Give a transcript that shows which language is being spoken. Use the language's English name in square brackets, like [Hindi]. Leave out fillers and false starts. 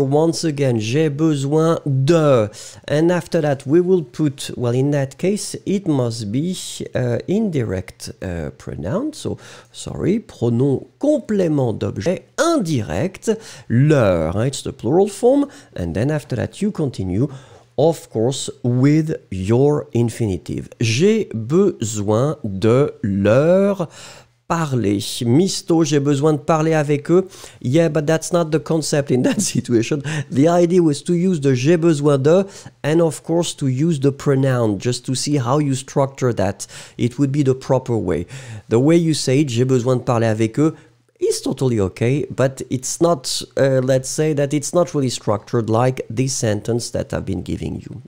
[English] Once again, [French] j'ai besoin de. [English] And after that, we will put, well, in that case, it must be indirect pronoun. So, sorry, [French] pronom complément d'objet indirect, leur. [English] It's the plural form. And then after that, you continue, of course, with your infinitive. [French] J'ai besoin de leur. Parler, misto, j'ai besoin de parler avec eux. [English] Yeah, but that's not the concept in that situation. The idea was to use the [French] j'ai besoin de, [English] and of course to use the pronoun, just to see how you structure that. It would be the proper way. The way you say it, [French] j'ai besoin de parler avec eux, [English] is totally okay, but it's not, let's say that it's not really structured like this sentence that I've been giving you.